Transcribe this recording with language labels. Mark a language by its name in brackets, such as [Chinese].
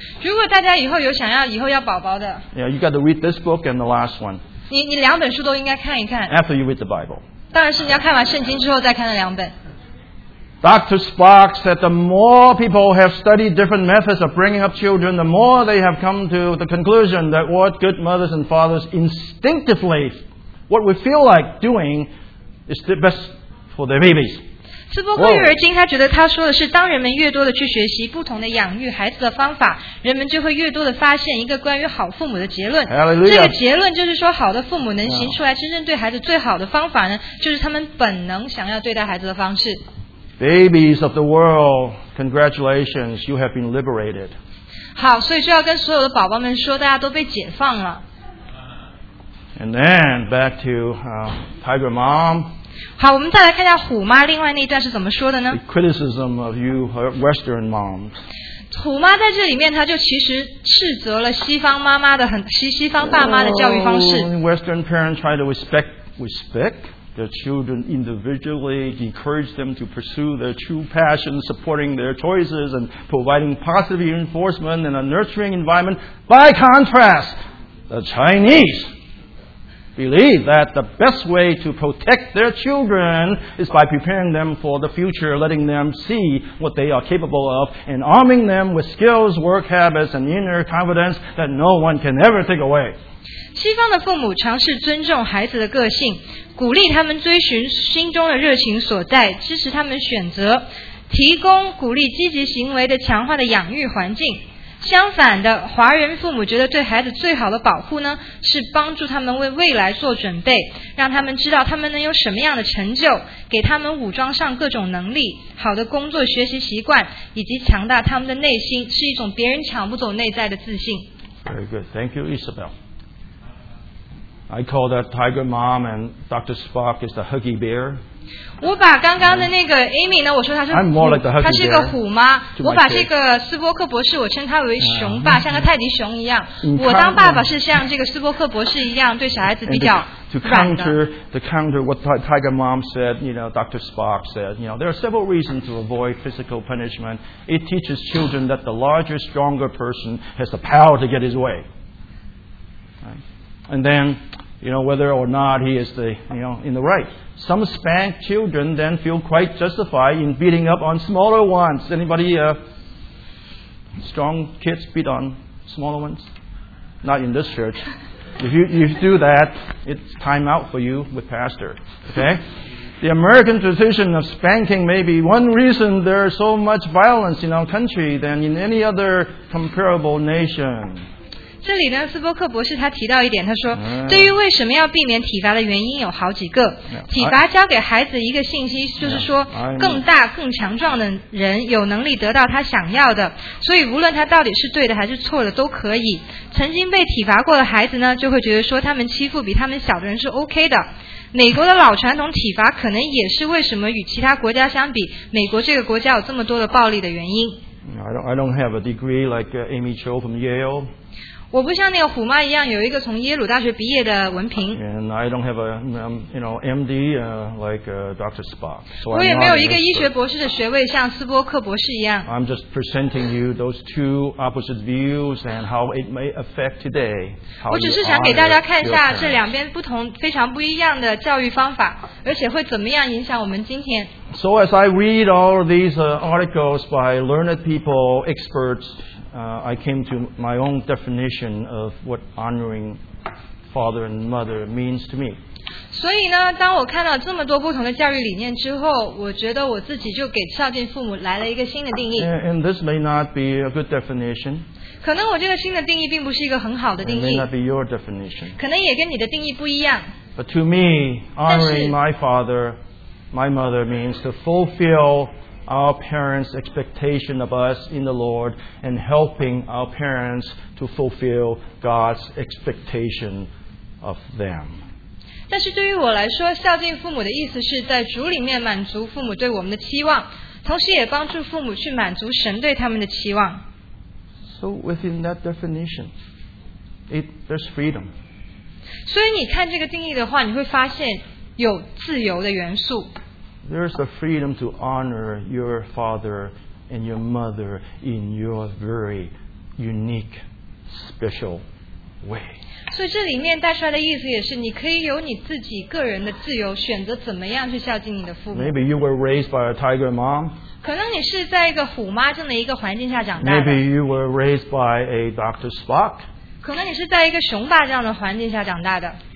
[Chinese] 如果大家以后有想要以后要宝宝的 [English] Yeah you got to read this book and the last one [Chinese] 你两本书都应该看一看 [English] After you read the Bible [Chinese] 当然是你要看完圣经之后再看那两本。 [English] Dr. Spock said the more people have studied different methods of bringing up children, the more they have come to the conclusion that what good mothers and fathers instinctively, what we feel like doing, is the best for their babies. [Chinese] 斯波克育儿经他觉得他说的是，当人们越多的去学习不同的养育孩子的方法，人们就会越多的发现一个关于好父母的结论。 [English] Hallelujah. [Chinese] 这个结论就是说，好的父母能行出来真正对孩子最好的方法呢，就是他们本能想要对待孩子的方式。 [English] Babies of the world, congratulations, you have been liberated. [Chinese] 好，所以就要跟所有的宝宝们说，大家都被解放了。 [English] And then back to Tiger Mom. [Chinese] 好，我们再来看一下虎妈另外那一段是怎么说的呢 [English] ？The criticism of you Western moms. [Chinese] 虎妈在这里面，她就其实斥责了西方妈妈的西方爸妈的教育方式。 [English] Western parents try to respect their children individually, encourage them to pursue their true passions, supporting their choices, and providing positive reinforcement and a nurturing environment. By contrast, the Chinese believe that the best way to protect their children is by preparing them for the future, letting them see what they are capable of, and arming them with skills, work habits, and inner confidence that no one can ever take away. [Chinese] 西方的父母尝试尊重孩子的个性，鼓励他们追寻心中的热情所在，支持他们选择，提供鼓励积极行为的强化的养育环境。相反的，华人父母觉得对孩子最好的保护呢，是帮助他们为未来做准备，让他们知道他们能有什么样的成就，给他们武装上各种能力，好的工作学习习惯，以及强大他们的内心，是一种别人抢不走内在的自信。 [English] Very good. Thank you, Isabel. I call that Tiger Mom and Dr. Spock is the Huggy Bear. [Chinese] 我把刚刚的那个 Amy 呢，我说她是虎， [English] I'm more like the Huggy [Chinese] Bear, 她是个虎妈。我把这个斯波克博士，我称她为熊爸，像个泰迪熊一样。我当爸爸是像这个斯波克博士一样，对小孩子比较软的。 [English] To counter what Tiger Mom said, you know, Dr. Spock said, you know, there are several reasons to avoid physical punishment. It teaches children that the larger, stronger person has the power to get his way. And then, you know, whether or not he is the, you know, in the right. Some spank children then feel quite justified in beating up on smaller ones. Anybody, strong kids beat on smaller ones? Not in this church. If you do that, it's time out for you with pastor. Okay? The American tradition of spanking may be one reason there's so much violence in our country than in any other comparable nation. [Chinese] 这里呢，斯波克博士他提到一点，他说，对于为什么要避免体罚的原因有好几个。体罚教给孩子一个信息，就是说，更大、更强壮的人有能力得到他想要的，所以无论他到底是对的还是错的都可以。曾经被体罚过的孩子呢，就会觉得说他们欺负比他们小的人是 OK 的。美国的老传统体罚可能也是为什么与其他国家相比，美国这个国家有这么多的暴力的原因。 [English] I don't have a degree like Amy Cho from Yale. [Chinese] 我不像那个虎妈一样有一个从耶鲁大学毕业的文凭。 [English] And I don't have a, you know, MD, like Dr. Spock. So [Chinese] 我也没有一个医学博士的学位，像斯波克博士一样。 [English] I'm just presenting you those two opposite views and how it may affect today. [Chinese] 我只是想给大家看一下这两边不同、非常不一样的教育方法，而且会怎么样影响我们今天。 [English] So as I read all of these articles by learned people, experts. I came to my own definition of what honoring father and mother means to me. [Chinese] 所以呢，当我看到这么多不同的教育理念之后，我觉得我自己就给孝敬父母来了一个新的定义。 [English] And this may not be a good definition. [Chinese] 可能我这个新的定义并不是一个很好的定义。 [English] It may not be your definition. [Chinese] 可能也跟你的定义不一样。 [English] But to me, honoring my father, my mother means to fulfill. Our parents' expectation of us in the Lord and helping our parents to fulfill God's expectation of them. [Chinese] 但是对于我来说，孝敬父母的意思是在主里面满足父母对我们的期望，同时也帮助父母去满足神对他们的期望。 [English] So within that definition, there's freedom. [Chinese] 所以你看这个定义的话，你会发现有自由的元素。 [English] There's the freedom to honor your father and your mother in your very unique, special way. [Chinese] 所以这里面带出来的意思也是，你可以有你自己个人的自由，选择怎么样去孝敬你的父母。 [English] Maybe you were raised by a tiger mom. [Chinese] 可能你是在一个虎妈这么一个环境下长大的。 [English] Maybe you were raised by a Dr. Spock. [Chinese] 可能你是在一个熊爸这样的环境下长大的。